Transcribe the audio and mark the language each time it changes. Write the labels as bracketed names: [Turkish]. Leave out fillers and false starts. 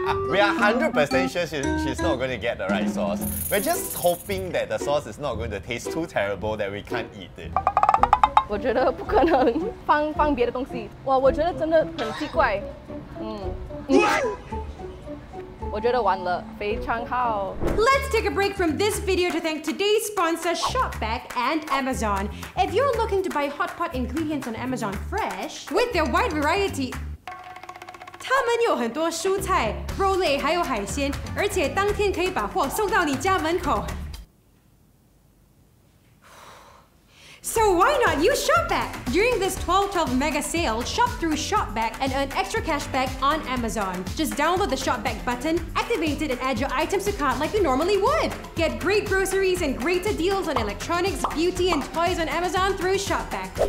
[English] We are 100% sure she's not going to get the right sauce. We're just hoping that the sauce is not going to taste too terrible that we can't eat it. [Chinese] 我觉得不可能放别的东西。哇，我觉得真的很奇怪。我觉得完了，非常好。 [English] Let's take a break from this video to thank today's sponsor, Shopback and Amazon. If you're looking to buy hot pot ingredients on Amazon Fresh, with their wide variety. [Chinese] 他们有很多蔬菜、肉类，还有海鲜，而且当天可以把货送到你家门口。 [English] So why not use Shopback? During this 12/12 mega sale, shop through Shopback and earn extra cash back on Amazon. Just download the Shopback button, activate it, and add your items to cart like you normally would. Get great groceries and greater deals on electronics, beauty, and toys on Amazon through Shopback.